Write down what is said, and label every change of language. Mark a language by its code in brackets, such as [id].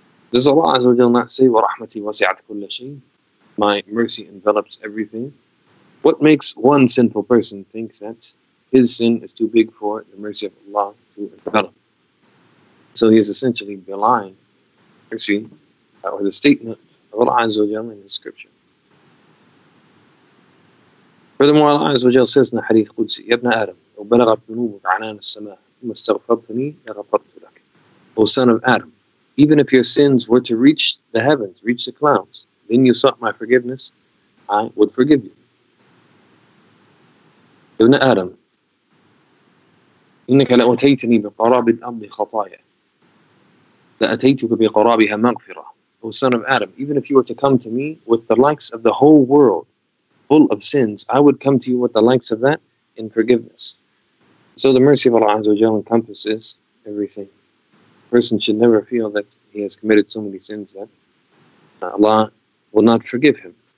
[en] Does Allah Azza wa Jal not say, [ar] وَرَحْمَتِي وَسِعَتْ كُلَّ شَيْءٍ, [en] my mercy envelops everything? What makes one sinful person think that his sin is too big for the mercy of Allah to envelop? So he is essentially belying mercy or the statement of Allah Azza wa Jal in the scripture. Furthermore, Allah Azza wa Jal says in the Hadith Qudsi, [ar] يا ابن آدم, لو بلغت ذنوبك عنان السماء ثم استغفرتني لغفرت لك. [en] O son of Adam, even if your sins were to reach the heavens, reach the clouds, then you sought my forgiveness, I would forgive you. [ar] Ibn Adam, إنك لأتيتني بقراب الأرض خطايا لأتيتك بقرابها مغفرة. [en] O son of Adam, even if you were to come to me with the likes of the whole world full of sins, I would come to you with the likes of that in forgiveness. So the mercy of Allah Azza wa Jalla encompasses everything. A person should never feel that he has committed so many sins that Allah will not forgive him.